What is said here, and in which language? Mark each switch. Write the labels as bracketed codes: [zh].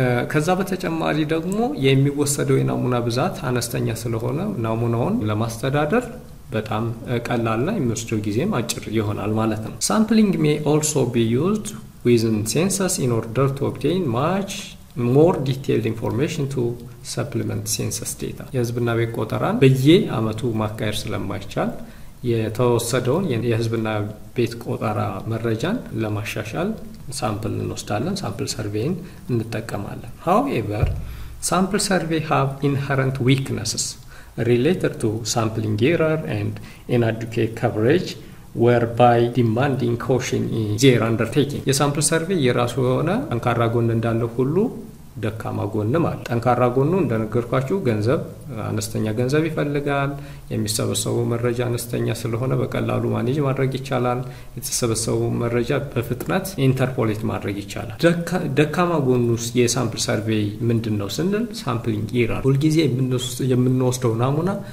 [am] ከዛ በተጨማሪ ደግሞ የሚወሰደው የናሙና ብዛት አነስተኛ ስለሆነ ናሙናውን ለማስተዳደር በጣም ቀላልና የሚወስደው ጊዜም አጭር ይሆናል ማለት ነው። [en] ሳምፕሊንግ may also be used within census in order to obtain much more detailed information to supplement census data. [am] የህዝብና ቤት ቆጠራን በየአመቱ ማካሄድ ስለማይቻል የተወሰደውን የህዝብና ቤት ቆጠራ መረጃን ለማሻሻል ሳምፕል እንወስዳለን። ሳምፕል ሰርቬይን እንጠቀማለን። [en] However, sample survey have inherent weaknesses related to sampling error and inadequate coverage whereby demanding caution is their undertaking. [am] የሳምፕል ሰርቬይ የራሱ የሆነ አንካራ ጎን እንዳለው ሁሉ ደካማ ጎንም አለ። ጠንካራ ጎኑ እንደነገርኳችሁ ገንዘብ አነስተኛ ገንዘብ ይፈልጋል። የሚሰበሰቡ መረጃ አነስተኛ ስለሆነ በቀላሉ ማኔጅ ማድረግ ይቻላል። የተሰበሰቡ መረጃ በፍጥነት ኢንተርፖሌት ማድረግ ይቻላል። ደካማ ጎኑስ የሳምፕል ሰርቬይ ምንድነው ስንል ሳምፕሊንግ ኢራር ሁልጊዜ የምንወስደው ናሙና